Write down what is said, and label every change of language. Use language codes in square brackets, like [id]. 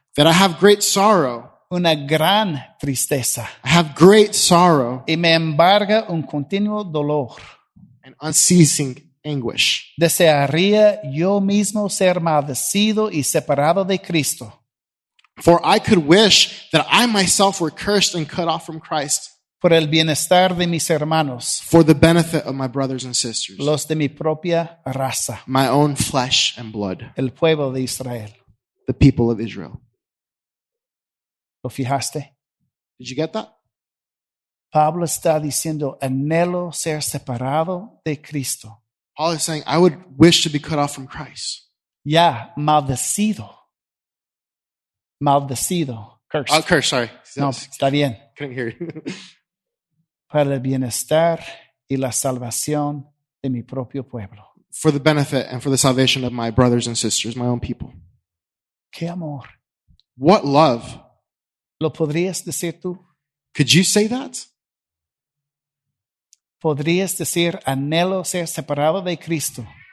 [en] That I have great sorrow. [es] Una gran tristeza. [en] I have great sorrow. [es] Y me embarga un continuo dolor. [en] An unceasing anguish. [es] Desearía yo mismo ser maldecido y separado de Cristo. [en] For I could wish that I myself were cursed and cut off from Christ. [es] Por el bienestar de mis hermanos. [en] For the benefit of my brothers and sisters. [es] Los de mi propia raza. [en] My own flesh and blood. [es] El pueblo de Israel. [en] The people of Israel. [es] ¿Lo fijaste? [en] Did you get that? [es] Pablo está diciendo, anhelo ser separado de Cristo. [en] Paul is saying, I would wish to be cut off from Christ. [es] Ya, maldecido. Maldecido, cursed. [en] Oh, cursed, sorry. [es] No, está bien. [en] Couldn't hear you. [es] Para el bienestar y la salvación de mi propio pueblo. [en] For the benefit and for the salvation of my brothers and sisters, my own people. [es] Qué amor. [en] What love. [es] ¿Lo podrías decir tú? [en] Could you say that? [es] ¿Podrías decir anhelo ser separado de Cristo?